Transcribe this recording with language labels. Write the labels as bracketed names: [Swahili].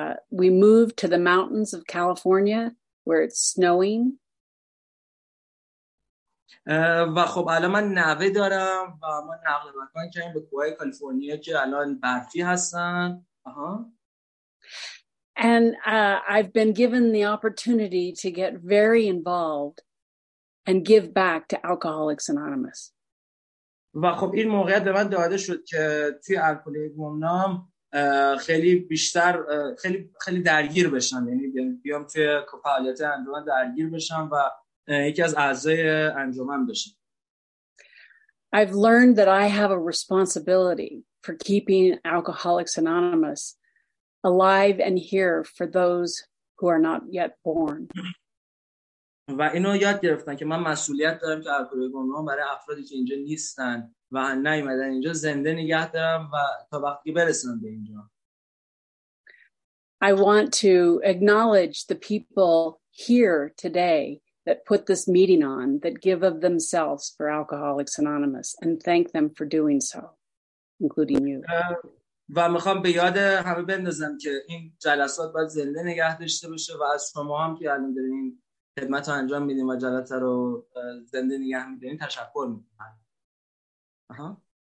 [English] We moved to the mountains of California where it's snowing. [Persian] و خب الان من نوه دارم و ما نقل مکان کردیم به کوهای کالیفرنیا که الان برفی هستن. [English] And I've been given the opportunity to get very involved and give back to Alcoholics Anonymous. [Persian] و خب این موقعیت به من داده شد که توی الکلی گمنام خیلی بیشتر خیلی خیلی درگیر بشم، یعنی بیام توی فعالیت انجام درگیر بشم و یکی از اعضای انجمن بشم. [English] I've learned that I have a responsibility for keeping Alcoholics Anonymous alive and here for those who are not yet born. [Persian] و اینو یاد گرفتن که من مسئولیت دارم که الکلی گمنام برای افرادی که اینجا نیستن و نیومدن اینجا زنده نگه دارم و تا وقتی برسن به اینجا. [English] I want to acknowledge the people here today that put this meeting on, that give of themselves for Alcoholics Anonymous, and thank them for doing so, including you. [Persian] و میخوام به یاد همه بندازم که این جلسات باید زنده نگه داشته بشه و از شما هم که الان دارین خدمت رو انجام میدین و جلسه رو زنده نگه میدین تشکر میکنم.